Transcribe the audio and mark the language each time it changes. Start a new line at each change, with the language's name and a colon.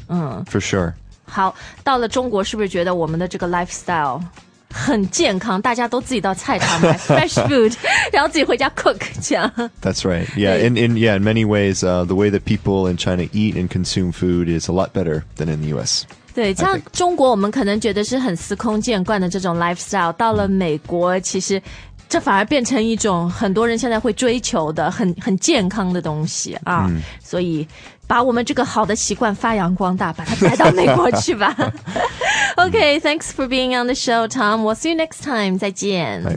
English: 嗯。 For sure.
Chinese: 好到了中国是不是觉得我们的这个 lifestyle... 很健康大家都自己到菜场买
English: fresh food
Chinese: 然后自己回家 cook 这样
English: That's right Yeah, in many ways、the way that people in China eat and consume food is a lot better than in the US
Chinese: 对像中国我们可能觉得是很司空见惯的这种 lifestyle 到了美国其实这反而变成一种很多人现在会追求的很健康的东西啊、嗯、所以把我们这个好的习惯发扬光大把它带到美国去吧
English: OK, thanks for being on the show, Tom. We'll see you next time.
Chinese: 再见。